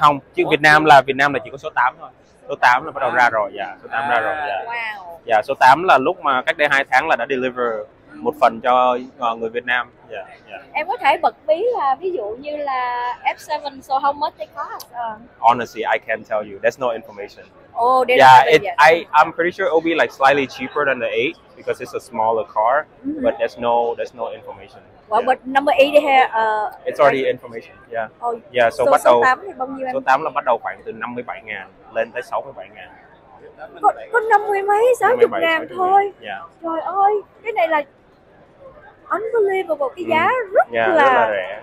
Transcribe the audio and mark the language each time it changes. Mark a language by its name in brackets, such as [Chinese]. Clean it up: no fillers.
[Vietnamese] Không, chứ Việt Nam là chỉ có số 8 thôi. Số 8 là bắt đầu ra rồi, dạ, số 8 ra rồi, dạ. Wow. Dạ, số 8 là lúc mà cách đây 2 tháng là đã deliver một phần cho người Việt Nam, dạ, dạ. Em có thể bật mí là ví dụ như là F7 [English] so how much they cost? Honestly, I can't tell you. There's no information. Oh, yeah, I'm pretty sure it'll be like slightly cheaper than the 8 because it's a smaller car, but there's no information. Well, yeah. But number 8 they have it's already information. Yeah. Oh, yeah, so [Vietnamese] bắt đầu số 8 là bắt đầu khoảng từ 57.000 lên tới 67.000. Có 50 mấy 60.000 thôi. Yeah. Trời ơi, cái này là unbelievable, cái giá rất là rẻ.